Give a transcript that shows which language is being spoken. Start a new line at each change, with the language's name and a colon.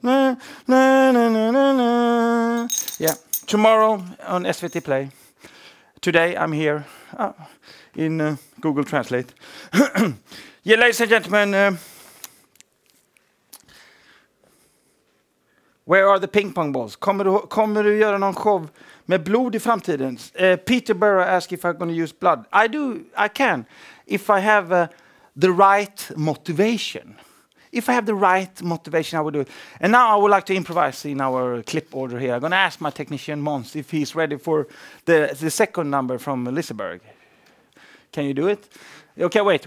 English: Na, na, na, na, na, na. Yeah. Tomorrow on SVT Play. Today I'm here in Google Translate. Yeah, ladies and gentlemen, where are the ping pong balls?
Swedish: Kommer du göra någon show med blod I framtiden?
English: Peterborough asked if I'm going to use blood. I do. I can, if I have the right motivation. If I have the right motivation, I will do it. And now I would like to improvise in our clip order here. I'm going to ask my technician, Mons, if he's ready for the second number from Liseberg. Can you do it? Okay, wait.